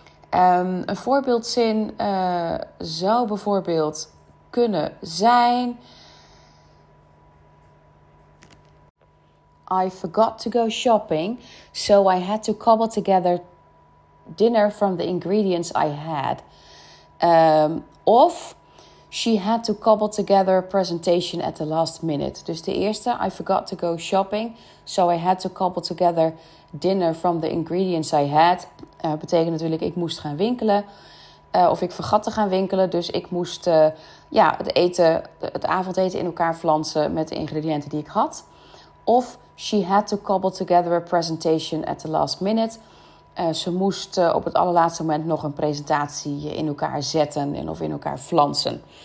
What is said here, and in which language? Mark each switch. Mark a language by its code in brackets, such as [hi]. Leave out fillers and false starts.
[nl] Een voorbeeldzin zou bijvoorbeeld kunnen zijn: [en] I forgot to go shopping, so I had to cobble together dinner from the ingredients I had. [nl] Of [en] she had to cobble together a presentation at the last minute. [nl] Dus de eerste, [en] I forgot to go shopping, so I had to cobble together dinner from the ingredients I had. [nl] Betekent natuurlijk, ik moest gaan winkelen. Of ik vergat te gaan winkelen. Dus ik moest het avondeten in elkaar flansen met de ingrediënten die ik had. Of [en] she had to cobble together a presentation at the last minute. [nl] Ze moest op het allerlaatste moment nog een presentatie in elkaar zetten en of in elkaar flansen.